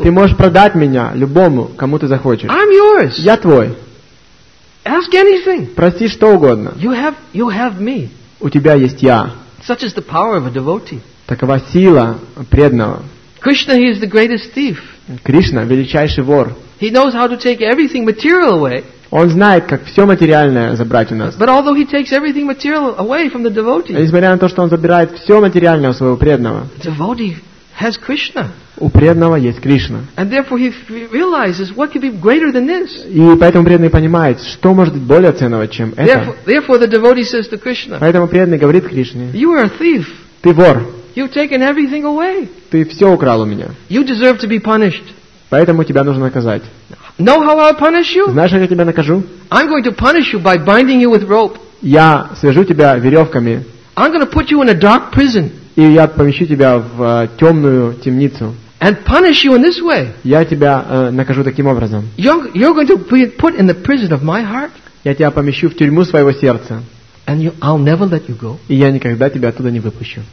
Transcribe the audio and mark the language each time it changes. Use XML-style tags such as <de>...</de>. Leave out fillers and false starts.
<ru>Ты можешь продать меня любому, кому ты захочешь.</ru> <en>I'm yours.</en> <ru>Я твой.</ru> <en>Ask anything.</en> <ru>Проси что угодно.</ru> <en>You have me.</en> <ru>У тебя есть я.</ru> <en>Such is the power of a devotee.</en> <ru>Такова сила преданного.</ru> <en>Krishna, he is the greatest thief.</en> <ru>Кришна – величайший вор.</ru> <en>He knows how to take everything material away.</en> <ru>Он знает, как все материальное забрать у нас.</ru> <en>But although he takes everything material away from the devotee,</en> <ru>несмотря на то, что он забирает все материальное у своего преданного,</ru> <en>the devotee has Krishna.</en> <ru>У преданного есть Кришна.</ru> <en>And therefore he realizes what could be greater than this.</en> <ru>И поэтому преданный понимает, что может быть более ценного, чем это.</ru> <en>Therefore the devotee says to Krishna,</en> <ru>поэтому преданный говорит Кришне,</ru> <en>you are a thief.</en> <ru>Ты вор.</ru> <en>You've taken everything away.</en> <ru>Ты все украл у меня.</ru> <en>You deserve to be punished.</en> <ru>Поэтому тебя нужно наказать.</ru> <en>Know how I'll punish you?</en> <ru>Знаешь, как я тебя накажу?</ru> <en>I'm going to punish you by binding you with rope.</en> <ru>Я свяжу тебя веревками.</ru> <en>I'm going to put you in a dark prison.</en> <ru>И я помещу тебя в темную темницу.</ru> <en>And punish you in this way.</en> <ru>Я тебя накажу таким образом.</ru> <en>You're going to be put in the prison of my heart.</en> <ru>Я тебя помещу в тюрьму своего сердца.</ru> <en>And I'll never let you go.</en> <ru>И я никогда тебя оттуда не выпущу.</ru>